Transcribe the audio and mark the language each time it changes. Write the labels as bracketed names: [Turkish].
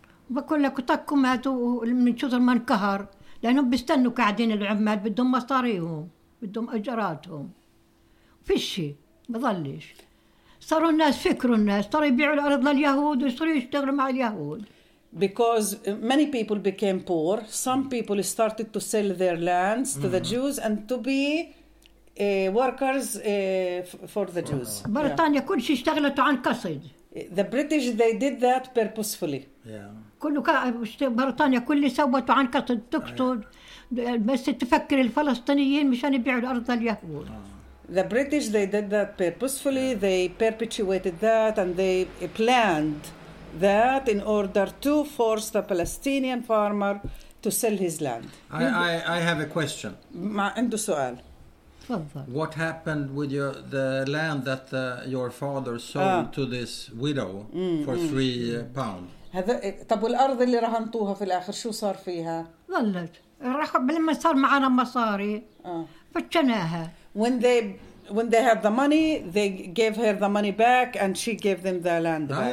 [Arabic] بقول لك تكو ماتوا من شطر ما انكهر. لأنهم بيستنوا قاعدين العمال بدهم مصاريهم بدهم أجراتهم في شيء بضلش صاروا الناس فكروا الناس صاروا يبيعوا الأرض لليهود وصاروا يشتغلوا مع اليهود [English] because many people became poor some people started to sell their lands to the Jews and to be workers for the Jews [Arabic] بريطانيا كل شيء اشتغلته عن قصد [English] the British they did that purposefully yeah. [Arabic] بريطانيا كل سوت عن قصد تقصد بس تفكر الفلسطينيين مشان يبيعوا الأرض لليهود. [English] The British they did that purposefully. They perpetuated that and they planned that in order to force the Palestinian farmer to sell his land. I have a question. [Arabic] ما عنده سؤال. [English] What happened with your the land that your father sold to this widow for £3? [Arabic] هذا طب والأرض اللي رهنتوها في الآخر شو صار فيها؟ ظلت راح لما صار معنا مصاري فتشناها. [English] When they had the money, they gave her the money back, and she gave them the land back.